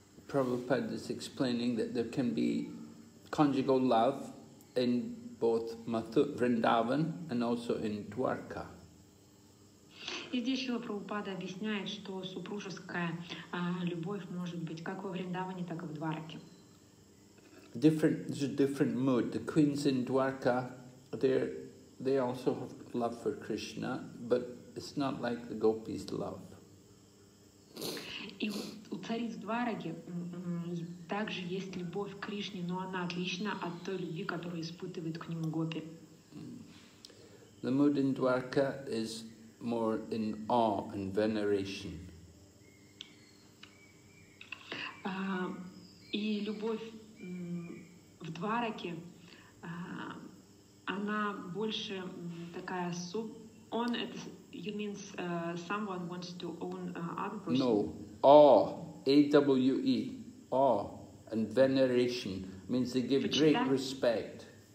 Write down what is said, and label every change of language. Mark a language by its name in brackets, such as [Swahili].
[English] Prabhupada is explaining that there can be conjugal love in both Vrindavan and also in Dwarka. [Russian] И здесь Шрила Прабхупада объясняет, что супружеская любовь может быть как во Вриндаване, так и в Дварке. [English] There's a different mood. The queens in Dwarka, they also have love for Krishna, but it's not like the gopis' love. [Russian] И у цариц Двараки также есть любовь к Кришне, но она отлична от той любви, которую испытывает к нему гопи. [English] The mood in Dwarka is more in awe and veneration. [Russian] И любовь в Двараке, она больше такая суп. Он это, [English] you mean someone wants to own other person? No, awe, awe and veneration means they give great respect.